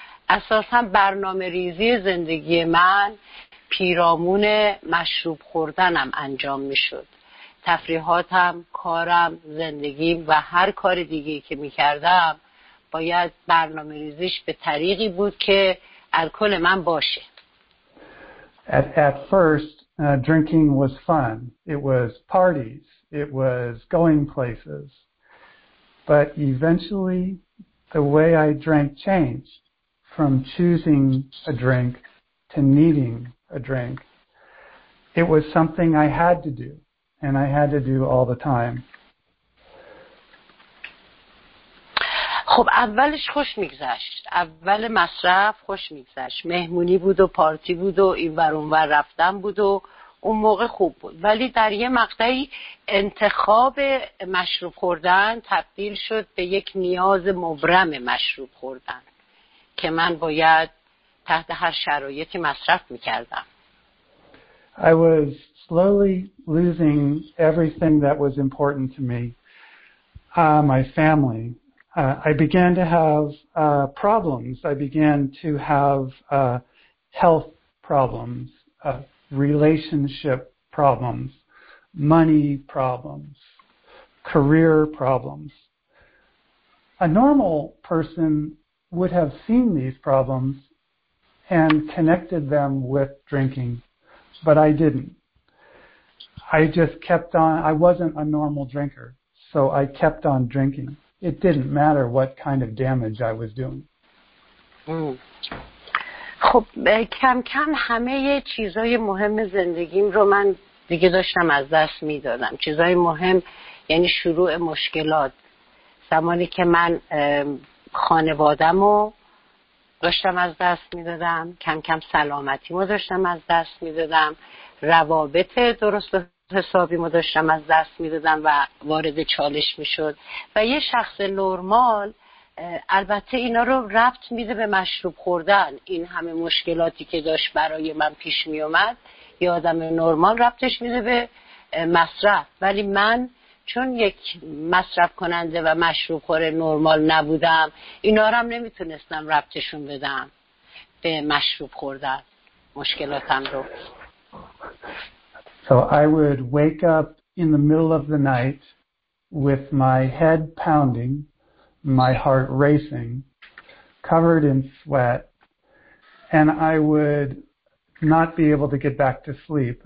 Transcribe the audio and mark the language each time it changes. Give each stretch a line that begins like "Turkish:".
Persian: اساساً برنامه ریزی زندگی من پیرامون مشروب خوردنم انجام می‌شد. تفریحاتم، کارم، زندگیم و هر کار دیگه که می کردم باید برنامه ریزیش به طریقی بود که الکل من باشه.
English: At first, drinking was fun. It was parties. It was going places. But eventually, the way I drank changed from choosing a drink to needing a drink. It was something I had to do. And I had to do all the time.
Persian: خب اولش خوش میگذشت. اول مصرف خوش میگذشت. مهمونی بود و پارتی بود و این ور اون ور رفتن بود و اون موقع خوب بود. ولی در یه مقطعی انتخاب مشروب خوردن تبدیل شد به یک نیاز مبرم مشروب خوردن که من باید تحت هر شرایطی مصرف میکردم.
English: I was slowly losing everything that was important to me, my family. I began to have problems. I began to have health problems, relationship problems, money problems, career problems. A normal person would have seen these problems and connected them with drinking, but I didn't. I just kept on. I wasn't a normal drinker, so I kept on drinking. It didn't matter what kind of damage I was doing.
Persian: خب کم کم همه چیزای مهم زندگیم رو من دیگه داشتم از دست میدادم. چیزای مهم یعنی شروع مشکلات. زمانی که من خانوادم رو داشتم از دست میدادم، کم کم سلامتیمو داشتم از دست میدادم، روابط درست حسابی ما داشتم از دست میدادم و وارد چالش میشد و یه شخص نرمال البته اینا رو ربط میده به مشروب خوردن. این همه مشکلاتی که داشت برای من پیش میومد یه آدم نرمال ربطش میده به مصرف، ولی من چون یک مصرف کننده و مشروب خور نرمال نبودم اینا رو هم نمیتونستم ربطشون بدم به مشروب خوردن مشکلاتم رو.
English: So I would wake up in the middle of the night with my head pounding, my heart racing, covered in sweat, and I would not be able to get back to sleep.